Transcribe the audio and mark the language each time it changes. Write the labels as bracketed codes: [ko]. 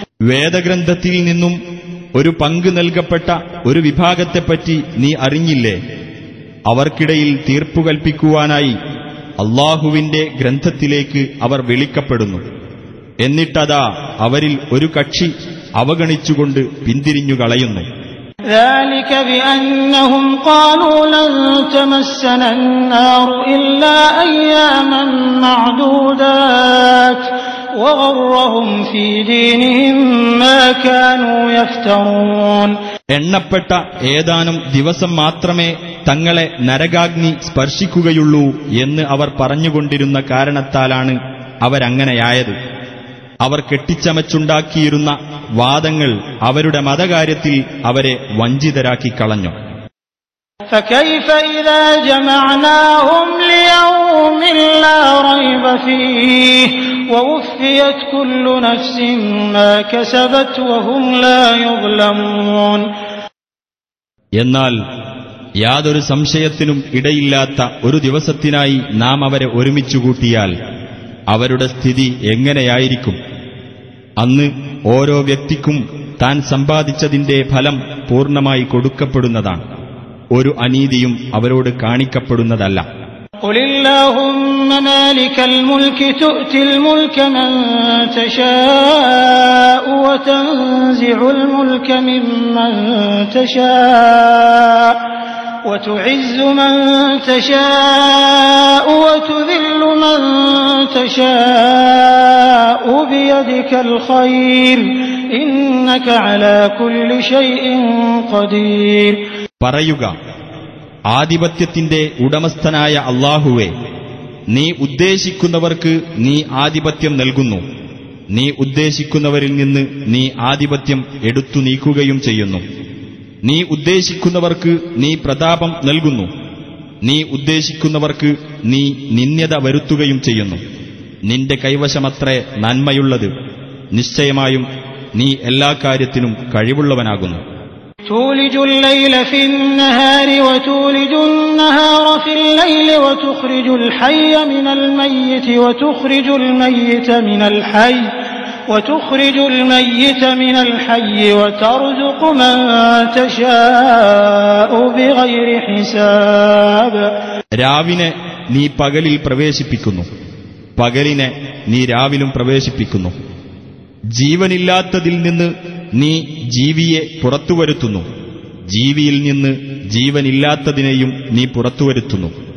[ml] വേദഗ്രന്ഥത്തിൽ നിന്നും ഒരു പങ്ക് നൽകപ്പെട്ട ഒരു വിഭാഗത്തെപ്പറ്റി നീ അറിഞ്ഞില്ലേ? അവർക്കിടയിൽ തീർപ്പു കൽപ്പിക്കുവാനായി അല്ലാഹുവിന്റെ ഗ്രന്ഥത്തിലേക്ക് അവർ വിളിക്കപ്പെടുന്നു. എന്നിട്ടതാ അവരിൽ ഒരു കക്ഷി അവഗണിച്ചുകൊണ്ട് പിന്തിരിഞ്ഞുകളയുന്നു. [ar] ذلك بأنهم قالوا لن تمسنا النار إلا أياما معدودات وغرهم في دينهم ما كانوا يفترون. [ml] എണ്ണപ്പെട്ട ഏതാനും ദിവസം മാത്രമേ തങ്ങളെ നരകാഗ്നി സ്പർശിക്കുകയുള്ളൂ എന്ന് അവർ പറഞ്ഞുകൊണ്ടിരുന്ന കാരണത്താലാണ് അവരങ്ങനെയായത്. അവർ കെട്ടിച്ചമച്ചുണ്ടാക്കിയിരുന്ന വാദങ്ങൾ അവരുടെ മതകാര്യത്തിൽ അവരെ വഞ്ചിതരാക്കി കളഞ്ഞു. [ar] فكيف اذا جمعناهم ليوم لا ريب فيه ووفيت كل نفس ما كسبت وهم لا يظلمون. [ml] എന്നാൽ യാതൊരു സംശയത്തിനും ഇടയില്ലാത്ത ഒരു ദിവസത്തിനായി നാം അവരെ ഒരുമിച്ചുകൂട്ടിയാൽ അവരുടെ സ്ഥിതി എങ്ങനെയായിരിക്കും? അന്ന് ഓരോ വ്യക്തിക്കും താൻ സമ്പാദിച്ചതിന്റെ ഫലം പൂർണ്ണമായി കൊടുക്കപ്പെടുന്നതാണ്. ഒരു അനീതിയും അവരോട് കാണിക്കപ്പെടുന്നതല്ല. [ar] قل اللهم مالك الملك تؤتي الملك من تشاء وتنزع الملك ممن تشاء وتعز من تشاء وتذل من تشاء بيدك الخير إنك على كل شيء قدير. [ml] പറയുക, ആധിപത്യത്തിന്റെ ഉടമസ്ഥനായ അള്ളാഹുവേ, നീ ഉദ്ദേശിക്കുന്നവർക്ക് നീ ആധിപത്യം നൽകുന്നു, നീ ഉദ്ദേശിക്കുന്നവരിൽ നിന്ന് നീ ആധിപത്യം എടുത്തു നീക്കുകയും ചെയ്യുന്നു. നീ ഉദ്ദേശിക്കുന്നവർക്ക് നീ പ്രതാപം നൽകുന്നു, നീ ഉദ്ദേശിക്കുന്നവർക്ക് നീ നിന്ദ്യത വരുത്തുകയും ചെയ്യുന്നു. നിന്റെ കൈവശമത്രേ നന്മയുള്ളത്. നിശ്ചയമായും നീ എല്ലാ കാര്യത്തിനും കഴിവുള്ളവനാകുന്നു. [ar] تولج الليل في النهار وتولج النهار في الليل وتخرج الحي من الميت وتخرج الميت من الحي وتخرج الميت من الحي وترزق من تشاء بغير حساب. [ml] രാവിനെ നീ പകലിൽ പ്രവേശിപ്പിക്കുന്നു, പകലിനെ നീ രാവിലും പ്രവേശിപ്പിക്കുന്നു. ജീവനില്ലാത്തതിൽ നിന്ന് നീ ജീവിയെ പുറത്തുവരുത്തുന്നു, ജീവിയിൽ നിന്ന് ജീവനില്ലാത്തതിനെയും നീ പുറത്തുവരുത്തുന്നു.